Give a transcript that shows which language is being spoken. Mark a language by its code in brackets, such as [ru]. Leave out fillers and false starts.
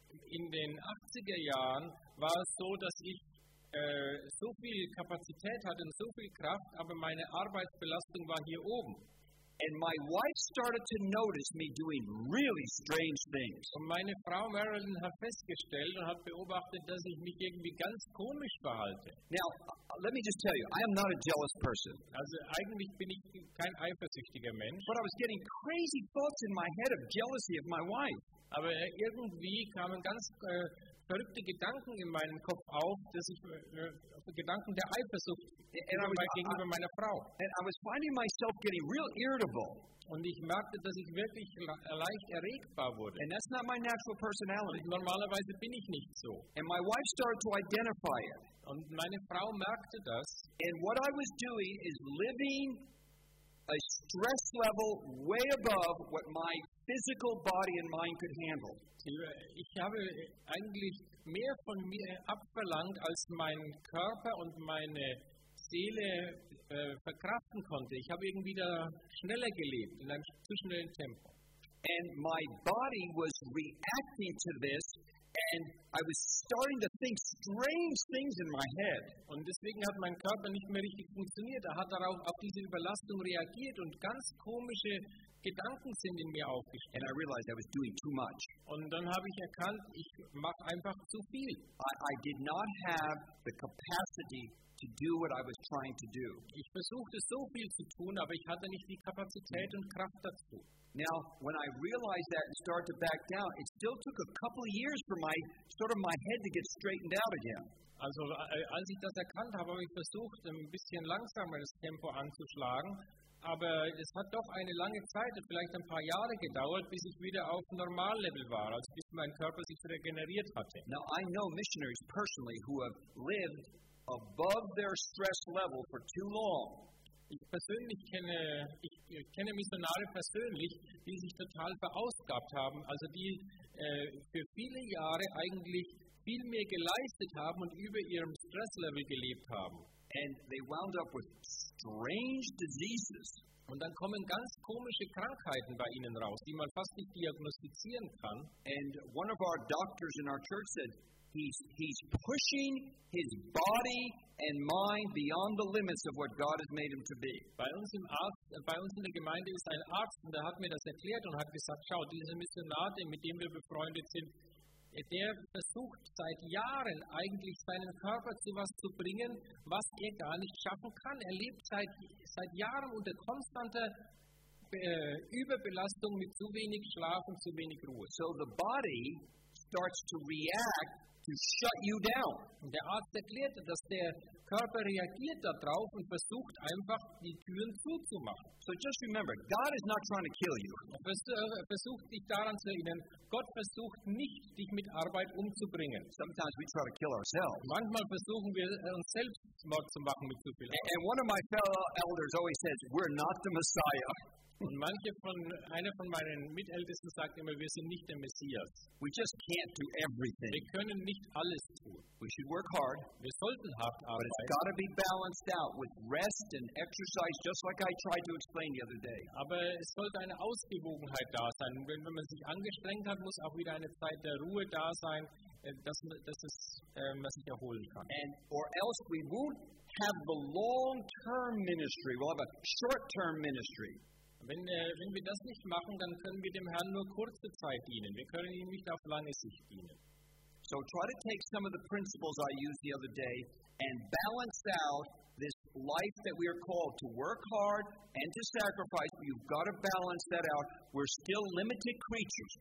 [de] In den 80er Jahren war es so, dass ich so viel Kapazität hatte und so viel Kraft, aber meine Arbeitsbelastung war hier oben. [en] And my wife started to notice me doing really strange things. [de] Und meine Frau Marilyn hat festgestellt und hat beobachtet, dass ich mich irgendwie ganz komisch verhalte. [en] Now, let me just tell you, I am not a jealous person. [de] Also eigentlich bin ich kein eifersüchtiger Mensch. [en] But I was getting crazy thoughts in my head of jealousy of my wife. [de] Aber irgendwie kamen ganz verrückte Gedanken in meinen Kopf auf, dass ich Gedanken der Eifersucht gegenüber meiner Frau. [en] And I was finding myself getting real irritable. [de] Und ich merkte, dass ich wirklich leicht erregbar wurde. [en] And that's not my natural personality. [de] Normalerweise bin ich nicht so. [en] And my wife started to identify it. [de] Und meine Frau merkte das. [en] And what I was doing is living a stress level way above what my physical body and mind could handle. [de] Ich habe eigentlich mehr von mir abverlangt, als mein Körper und meine Seele verkraften konnte. Ich habe irgendwie da schneller gelebt, in einem zu schnellen Tempo. [en] And my body was reacting to this, and I was starting to think strange things in my head. [de] Und deswegen hat mein Körper nicht mehr richtig funktioniert. Er hat darauf auf diese Überlastung reagiert und ganz komische Gedanken sind in mir aufgestiegen. [en] And I realized I was doing too much. [de] Und dann habe ich erkannt, ich mache einfach zu viel. [en] I did not have the capacity to do what I was trying to do. [de] Ich versuchte so viel zu tun, aber ich hatte nicht die Kapazität und Kraft dazu. [en] Now, when I realized that and started to back down, it still took a couple of years for my sort of my head to get straightened out again. [de] Also, als ich das erkannt habe, habe ich versucht, ein bisschen langsameres Tempo anzuschlagen. Aber es hat doch eine lange Zeit, vielleicht ein paar Jahre gedauert, bis ich wieder auf Normallevel war, also bis mein Körper sich regeneriert hatte. [en] Now I know missionaries personally who have lived above their stress level for too long. [de] Ich kenne Missionare persönlich, die sich total verausgabt haben, also die für viele Jahre eigentlich viel mehr geleistet haben und über ihrem Stresslevel gelebt haben. [en] And they wound up with strange diseases. [de] Und dann kommen ganz komische Krankheiten bei ihnen raus, die man fast nicht diagnostizieren kann. [en] And one of our doctors in our church said, he's pushing his body and mind beyond the limits of what God has made him to be. [de] Bei uns in der Gemeinde ist ein Arzt, und der hat mir das erklärt und hat gesagt, schau, dieser Missionar, mit dem wir befreundet sind, der versucht seit Jahren eigentlich seinen Körper zu was zu bringen, was er gar nicht schaffen kann. Er lebt seit Jahren unter konstanter Überbelastung mit zu wenig Schlaf und zu wenig Ruhe. [en] So the body starts to react to shut you down. [de] Und der Arzt erklärte, dass der Körper reagiert darauf und versucht einfach die Türen zuzumachen. [en] So just remember, God is not trying to kill you. [de] Versucht dich daran zu erinnern, Gott versucht nicht, dich mit Arbeit umzubringen. [en] Sometimes we try to kill ourselves. [de] Manchmal versuchen wir uns selbst Mord zu machen mit zu viel Arbeit. [en] And one of my fellow elders always says, we're not the Messiah. [de] Und einer von meinen Mitältesten sagt immer, wir sind nicht der Messias. [en] We just can't do everything. [de] Wir können nicht alles tun. [en] We should work hard. [de] Wir sollten hart arbeiten. [en] But it's got to be balanced out with rest and exercise, just like I tried to explain the other day. [de] Aber es sollte eine Ausgewogenheit da sein. Wenn man sich angestrengt hat, muss auch wieder eine Zeit der Ruhe da sein, dass man sich erholen kann. [en] And or else we won't have the long-term ministry. We'll have a short-term ministry. [de] Wenn wir das nicht machen, dann können wir dem Herrn nur kurze Zeit dienen. Wir können ihm nicht auf lange Sicht dienen. [en] So try to take some of the principles I used the other day and balance out this life that we are called to work hard and to sacrifice. You've got to balance that out. We're still limited creatures.